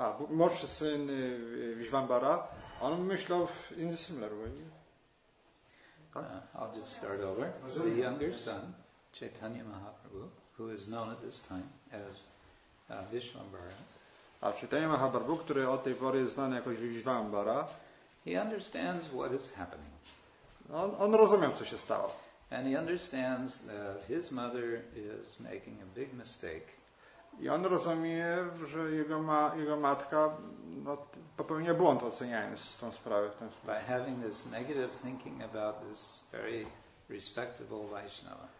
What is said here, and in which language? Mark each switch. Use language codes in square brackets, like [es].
[pl] Młodszy syn Vishvambara, on myślał [en] in the similar way. I'll just start over. The younger son, Chaitanya Mahaprabhu, who is known at this time as Vishvambara. [pl] A Chaitanya Mahaprabhu, który od tej pory jest znany jako Vishvambara, [en] he understands what is happening. [pl] On rozumiał, co się stało. [en] And he understands that his mother is making a big mistake. [pl] I on rozumie, że jego matka popełnia błąd, oceniając tą sprawę w ten sposób. [en] By having this negative thinking about this very respectable Vaishnava.